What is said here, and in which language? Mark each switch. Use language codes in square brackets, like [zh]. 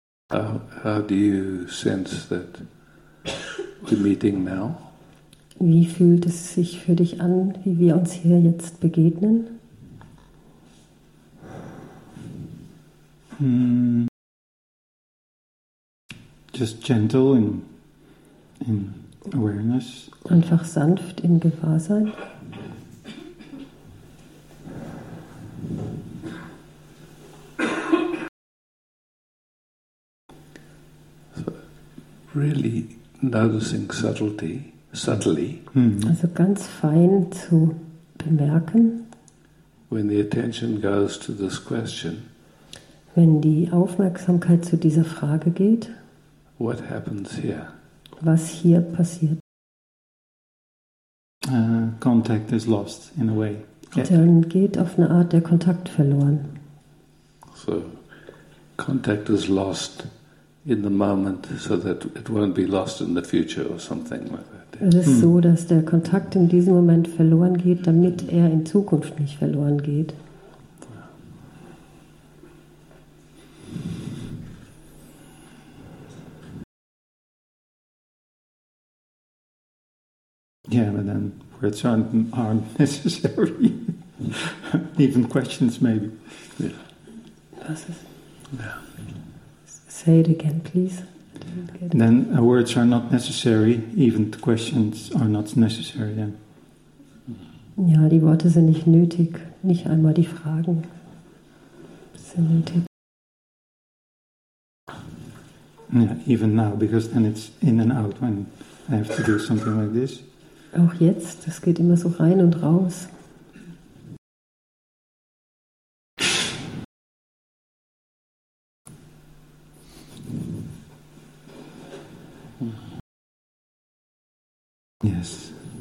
[en] How do you sense that we're meeting now? [de] Wie fühlt es sich für dich an, wie wir uns hier jetzt begegnen? [en] Just gentle in awareness. [de] Einfach sanft im Gewahrsein. [en] So, really noticing subtlety. Subtly. [de] Also ganz fein zu bemerken. [en] When the attention goes to this question, [de] wenn die Aufmerksamkeit zu dieser Frage geht, [en] what happens here? [de] Was hier passiert? [en] Contact is lost in a way. [de] Dann geht auf eine Art der Kontakt verloren. [en] So, contact is lost in the moment, so that it won't be lost in the future or something like that. [de] Es ist so, dass der Kontakt in diesem Moment verloren geht, damit er in Zukunft nicht verloren geht. [en] Yeah, but then words aren't necessary. Even questions maybe. [de] Was ist? [en] Say it again, please. Then words are not necessary, even the questions are not necessary then. [de] Ja, die Worte sind nicht nötig, nicht einmal die Fragen sind nötig. [en] Yeah, even now, because then it's in and out when I have to do something like this. [de] Auch jetzt, das geht immer so rein und raus. [en] Yes.